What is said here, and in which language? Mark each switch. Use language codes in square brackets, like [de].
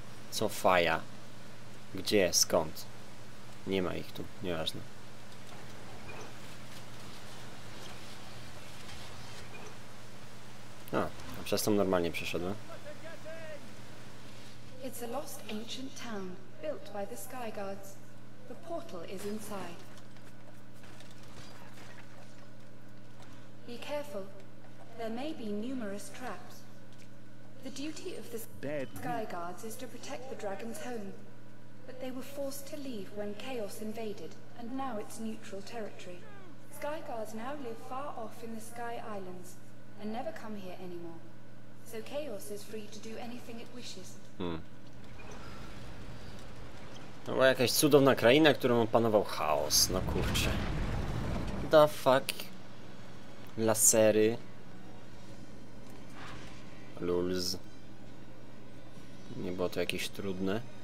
[pl] Co faja? Gdzie? Skąd? Nie ma ich tu, nieważne. A przez to normalnie przeszedłem. [en] It's a lost ancient town, built by the sky guards. The portal is inside. Be careful. There may be numerous traps. The duty of the sky guards is to protect the dragon's home. But they were forced to leave when chaos invaded, and now it's neutral territory. Sky guards now live far off in the sky islands and never come here anymore. So chaos is free to do anything it wishes. [pl] To była jakaś cudowna kraina, którą opanował chaos. No kurczę. [en] The fuck? [pl] Lasery. [en] Lulz. [pl] Nie było to jakieś trudne.